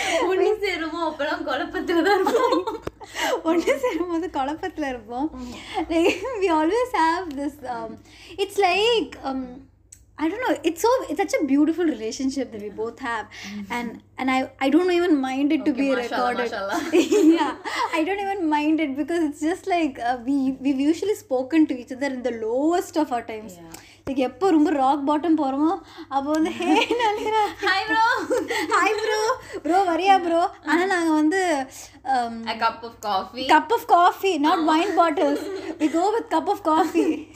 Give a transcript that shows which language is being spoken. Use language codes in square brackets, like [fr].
[ta] ஒன்று சேருமோ அப்போலாம் குழப்பத்தில் தான் இருப்போம். ஒன்று சேரும் போது குழப்பத்தில் இருப்போம். [en] We always have this... it's like... I don't know, it's such a beautiful relationship that we both have. And I don't even mind it to be recorded. [ar] Mashallah. [en] I don't even mind it because it's just like we've usually spoken to each other in the lowest of our times. [ta] Like எப்போ ரொம்ப rock bottom போகிறோமோ அப்போ வந்து ஹே நலினா [en] hi bro hi bro [ta] bro வரியா bro ஆனால் நாங்கள் வந்து [en] cup of coffee not wine bottles we go with cup of coffee